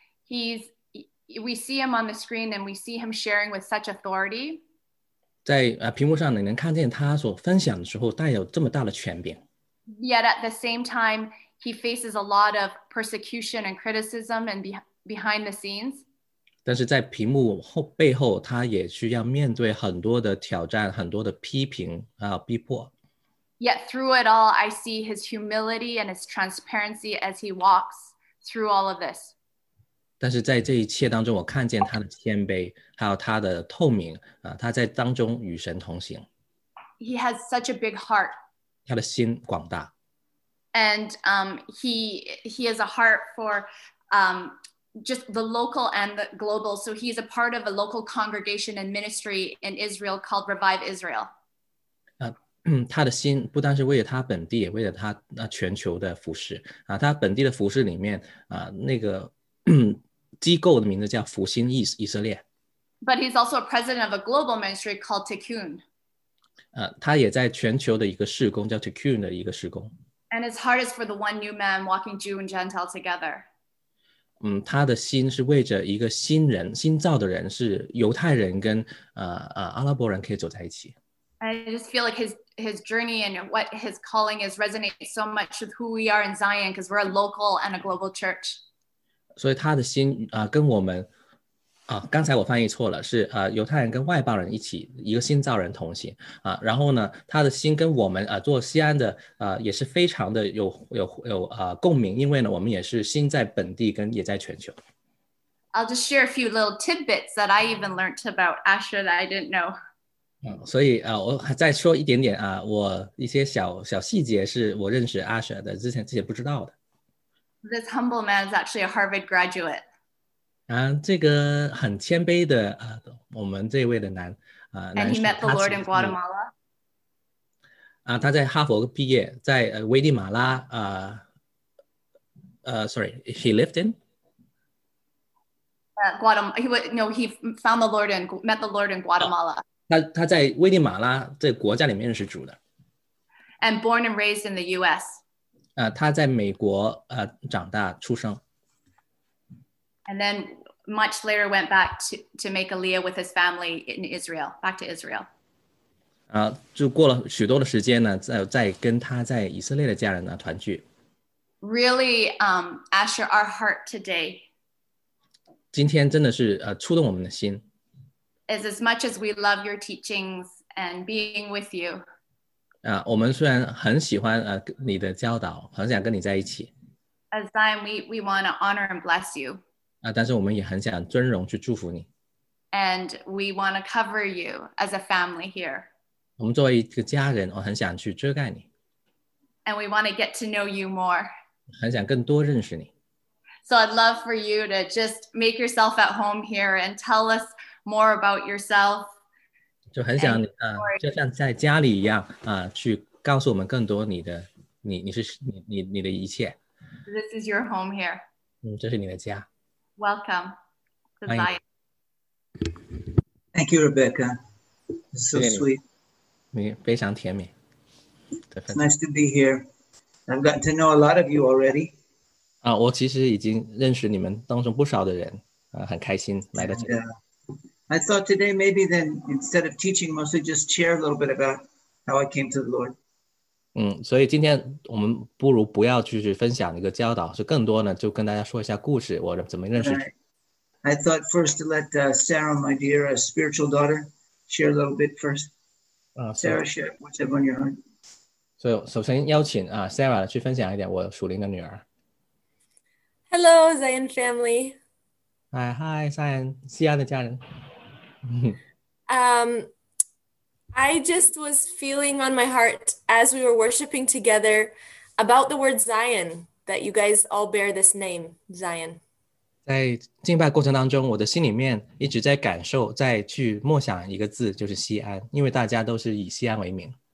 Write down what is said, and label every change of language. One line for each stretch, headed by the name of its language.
English: We see him on the screen and we see him sharing with such authority.
Chinese: 在屏幕上你能看见他所分享的时候带有这么大的权柄。
English: Yet at the same time, he faces a lot of persecution and criticism and behind the scenes.
Chinese: 但是在屏幕背后他也需要面对很多的挑战很多的批评逼迫。
English: Yet through it all, I see his humility and his transparency as he walks through all of this.
Chinese: 但是在这一切当中我看见他的谦卑还有他的透明他在当中与神同行。
English: He has such a big heart.
Chinese: 他的心广大。
English: And he has a heart for just the local and the global. So he's a part of a local congregation and ministry in Israel called Revive Israel.
Chinese: 他的心不单是为了他本地也为了他全球的服事。他本地的服事里面那个机构的名字叫福星以色列。
English: But he's also a president of a global ministry called Tikkun.
Chinese: 他也在全球的一个事工叫 Tikkun 的一个事工。
English: And his heart is for the one new man walking Jew and Gentile together.
Chinese: 他的心是为着一个新人新造的人是犹太人跟阿拉伯人可以走在一起。
English: I just feel like his journey and what his calling is resonates so much with who we are in Zion because we're a local and a global church.
Chinese: 所以他的心跟我们刚才我翻译错了是犹太人跟外邦人一起一个新造人同行然后呢他的心跟我们做西安的也是非常的有共鸣因为呢我们也是心在本地跟也在全球。
English: I'll just share a few little tidbits that I even learned about Asher that I didn't know.
Chinese: 所以我再说一点点我一些小细节是我认识 Asher 的之前不知道的。
English: This humble man is actually a Harvard graduate.
Chinese: 这个很谦卑的我们这位的男
English: And he met the Lord in Guatemala.
Chinese: 他在哈佛毕业在危地马拉
English: he lived in? He found the Lord and met the Lord in Guatemala.
Chinese: 他在危地马拉这个国家里面认识主的。
English: And born and raised in the U.S.
Chinese: 他在美国长大出生。
English: And then much later went back to make Aliyah with his family in Israel, back to Israel.
Chinese: 就过了许多的时间呢 在跟他在以色列的家人团聚。
English: Really, Asher, our heart today.
Chinese: 今天真的是触动我们的心。
English: is as much as we love your teachings and being with you.
Chinese: 我们虽然很喜欢你的教导，很想跟你在一起。
English: As Zion, we want to honor and bless you.
Chinese: 但是我们也很想尊荣去祝福你。
English: And we want to cover you as a family here.
Chinese: 我们作为一个家人，我很想去遮盖你。
English: And we want to get to know you more.
Chinese: 很想更多认识你。
English: So I'd love for you to just make yourself at home here and tell us more about yourself.
Chinese: 就很想就像在家里一样去告诉我们更多你的你的一切。
English: This is your home here.
Chinese: 这是你的家。
English: Welcome to Zion. Thank you, Rebecca. It's so sweet.
Chinese: 非常甜美。
English: It's nice to be here. I've gotten to know a lot of you already.
Chinese: 我其实已经认识你们当中不少的人很开心来到这里。
English: I thought today maybe then instead of teaching, mostly just share a little bit about how I came to the Lord.
Chinese: 所以今天我们不如不要去分享一个教导，是更多呢，就跟大家说一下故事，我怎么认识。
English: I thought first to let Sarah, my dear spiritual daughter, share a little bit first. Sarah, share what's up on your heart.
Chinese: 所以首先邀请Sarah 去分享一点我属灵的女儿。
English: Hello, Zion family. Hi, Zion,
Chinese: 西安的家人。
English: I just was feeling on my heart as we were worshiping together about the word Zion, that you guys all bear this name, Zion.
Chinese: 在敬拜过程当中，我的心里面一直在感受，在去默想一个字，就是西安，因为大家都是以西安为名。